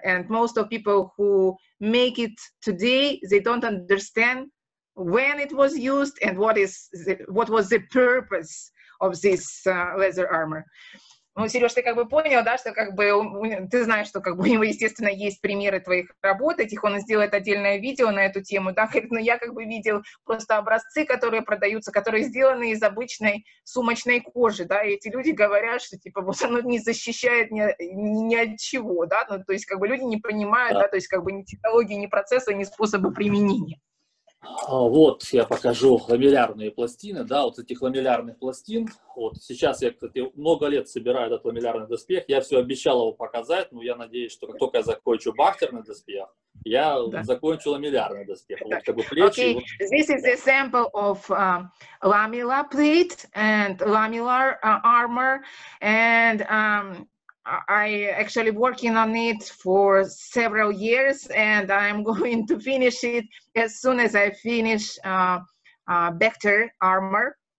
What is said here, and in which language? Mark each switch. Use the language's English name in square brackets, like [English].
[English] And most of people who make it today, they don't understand when it was used and what was the purpose of this leather armor. [Russian] Ну, Сереж, ты как бы понял, да, что как бы ты знаешь, что как бы у него, естественно, есть примеры твоих работ этих, он сделает отдельное видео на эту тему, да, но я как бы видел просто образцы, которые продаются, которые сделаны из обычной сумочной кожи, да, и эти люди говорят, что типа вот оно не защищает ни от чего, да, ну, то есть как бы люди не понимают, да, то есть как бы ни технологии, ни процессы, ни способы применения. Вот я покажу ламеллярные пластины, да, вот этих ламеллярных пластин. Вот сейчас я, кстати, много лет собираю этот ламеллярный доспех, я все обещал его показать, но я надеюсь, что как только я закончу бахтерный доспех, я закончу ламеллярный доспех. Вот как бы плечи. [English] Okay, this is a sample of lamellar plate and lamellar armor, and I actually working on it for several years, and I'm going to finish it as soon as I finish Bechter armor.